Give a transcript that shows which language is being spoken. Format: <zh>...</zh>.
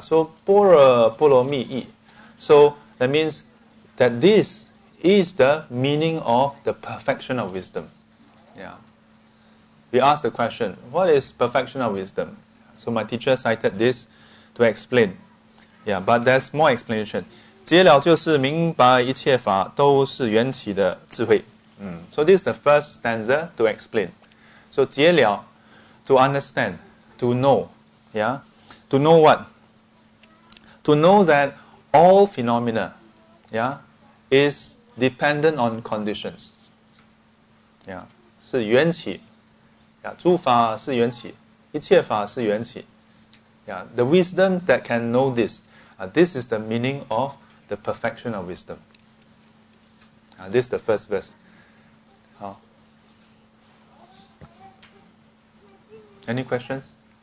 <en>So</en> <zh>般若波罗蜜义,</zh> <en>so that means that this is the meaning of the perfection of wisdom, yeah? We ask the question, what is perfection of wisdom? So my teacher cited this to explain. Yeah, but there's more explanation.</en> <zh>结了就是明白一切法都是缘起的智慧。</zh> <en>So this is the first stanza to explain. So 结了, to understand, to know. Yeah, to know what? To know that all phenomena, yeah, is dependent on conditions. Yeah,</en> <zh>是缘起。诸法是缘起，一切法是缘起。</zh> <en>Yeah, the wisdom that can know this, this is the meaning of the perfection of wisdom. This is the first verse. Any questions?</en>